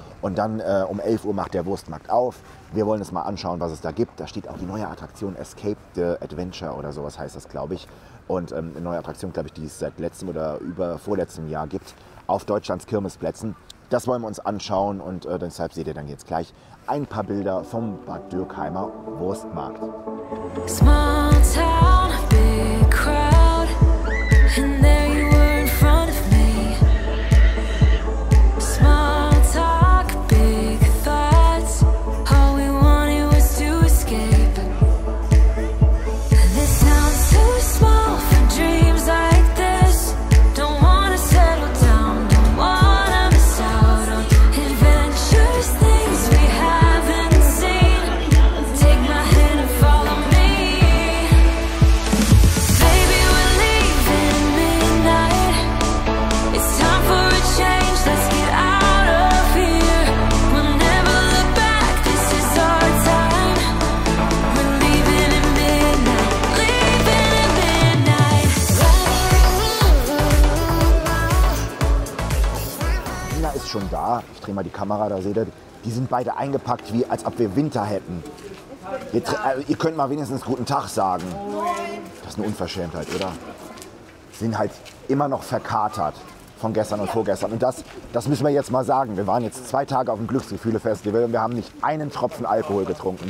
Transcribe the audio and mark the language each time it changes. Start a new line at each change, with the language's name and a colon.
German: Und dann um 11 Uhr macht der Wurstmarkt auf. Wir wollen uns mal anschauen, was es da gibt. Da steht auch die neue Attraktion Escape the Adventure oder sowas heißt das, glaube ich. Und eine neue Attraktion, glaube ich, die es seit letztem oder über vorletztem Jahr gibt, auf Deutschlands Kirmesplätzen. Das wollen wir uns anschauen und deshalb seht ihr dann jetzt gleich ein paar Bilder vom Bad Dürkheimer Wurstmarkt.
English: Small town, big crowd, and there you were in front of me. Small talk, big thoughts, all we wanted was to escape. This sounds too small for dreams like this. Don't wanna settle down, don't wanna miss out on adventures, things we haven't seen. Take my hand and follow me. Baby, we're leaving midnight. It's time for a change, let's get out of here. We'll never look back, this is our time. We're leaving at midnight, leaving at midnight.
German: Nina ist schon da. Ich drehe mal die Kamera, da seht ihr. Die sind beide eingepackt, wie als ob wir Winter hätten. Ihr könnt mal wenigstens guten Tag sagen. Das ist eine Unverschämtheit, oder? Sie sind halt immer noch verkatert von gestern und vorgestern. Und das müssen wir jetzt mal sagen. Wir waren jetzt 2 Tage auf dem Glücksgefühle-Festival und wir haben nicht einen Tropfen Alkohol getrunken.